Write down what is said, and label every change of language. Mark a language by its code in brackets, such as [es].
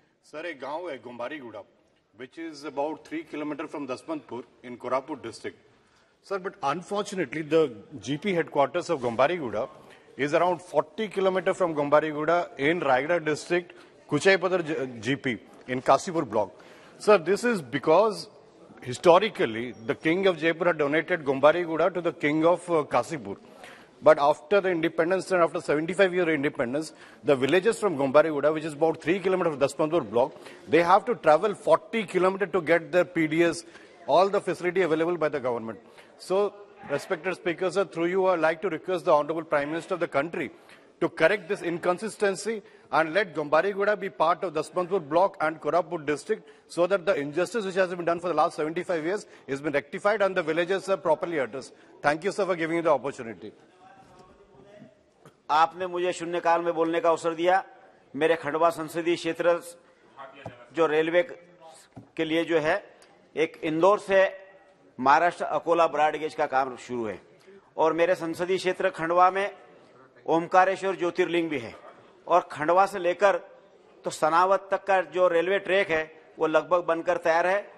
[en] sir, [hi] एक गांव है [en] Gumbariguda which is about 3 kilometre from Dasmantpur in Koraput district sir, but unfortunately the GP headquarters of Gumbariguda is around 40 kilometre from Gumbariguda in Rayagada district Kuchaipadar GP in Kashipur block. Sir, this is because historically the king of Jaipur had donated Gumbariguda to the king of Kashipur, but after the independence and after 75 year independence the villages from Gombariguda which is about 3 km from Dasmanpur block they have to travel 40 km to get their PDS, all the facility available by the government. So respected speaker sir, through you I would like to request the honorable prime minister of the country to correct this inconsistency and let Gombariguda be part of Dasmanpur block and Koraput district so that the injustice which has been done for the last 75 years is been rectified and the villages are properly addressed. Thank you sir for giving me the opportunity. [hi] आपने मुझे शून्यकाल में बोलने का अवसर दिया। मेरे खंडवा संसदीय क्षेत्र जो रेलवे के लिए जो है एक इंदौर से महाराष्ट्र अकोला ब्राडगेज का काम शुरू है और मेरे संसदीय क्षेत्र खंडवा में ओमकारेश्वर ज्योतिर्लिंग भी है और खंडवा से लेकर तो सनावत तक का जो रेलवे ट्रैक है वो लगभग बनकर तैयार है।